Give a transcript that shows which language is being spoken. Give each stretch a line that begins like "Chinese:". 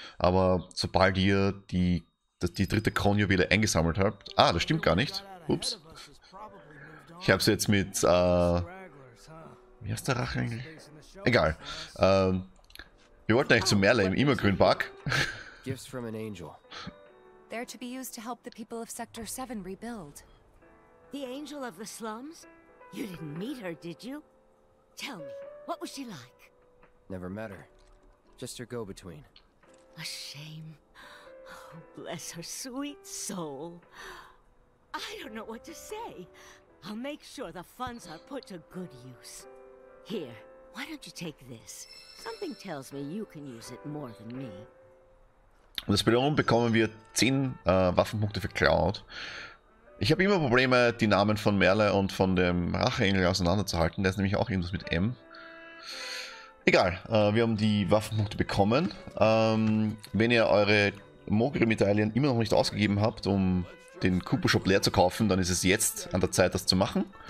German: Aber sobald ihr die dritte Kronjuwele eingesammelt habt. Ah, das stimmt gar nicht. Ups. Ich habe sie jetzt mit. Wie heißt der Rache eigentlich? Egal. Wir wollten eigentlich zu Merle im Immergrün Park.
English: Gifts from an angel. They're to be used to help the people of Sector 7 rebuild. The angel of the slums? You didn't meet her, did you? Tell me, what was she like? Never met her. Just her go-between. A shame. Oh, bless her sweet soul. I don't know what to say. I'll make sure the funds are put to good use. Here, why don't you take this? Something tells me you can use it more than me.
German: Und als Belohnung bekommen wir 10 Waffenpunkte für Cloud. Ich habe immer Probleme, die Namen von Merle und von dem Racheengel auseinanderzuhalten. Der ist nämlich auch irgendwas mit M. Egal, wir haben die Waffenpunkte bekommen. Wenn ihr eure Mogri-Medaillen immer noch nicht ausgegeben habt, um den Cooper-Shop leer zu kaufen, dann ist es jetzt an der Zeit, das zu machen.